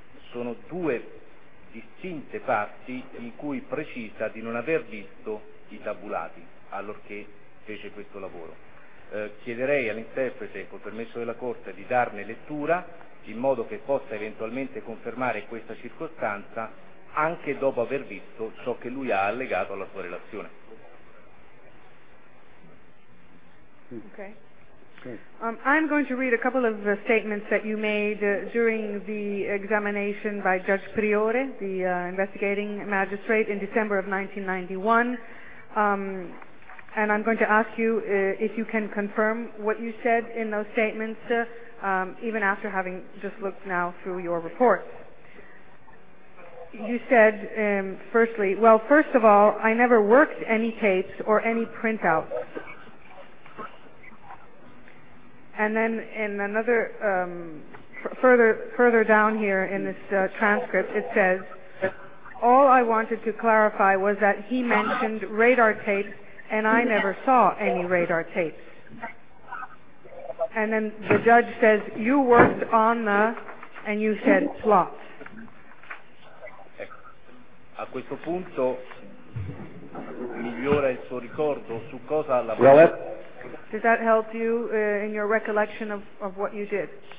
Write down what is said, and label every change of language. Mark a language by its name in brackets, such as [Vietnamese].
[Italian] Sono due distinte parti in cui precisa di non aver visto i tabulati allorché fece questo lavoro. Chiederei all'interprete, col permesso della Corte, di darne lettura in modo che possa eventualmente confermare questa circostanza anche dopo aver visto ciò che lui ha allegato alla sua relazione. [English] Okay. I'm going to read a couple of statements that you made during the examination by Judge Priore, the investigating magistrate, in December of 1991. And I'm going to ask you if you can confirm what you said in those statements, even after having just looked now through your report. You said, firstly, well, first of all, I never worked any tapes or any printouts. And then in another, further down here in this transcript, it says, all I wanted to clarify was that he mentioned radar tapes and I never saw any radar tapes. And then the judge says, you worked on the, and you said plot. [Italian] A questo punto migliora il suo ricordo su cosa la. [English] Did that help you in your recollection of what you did?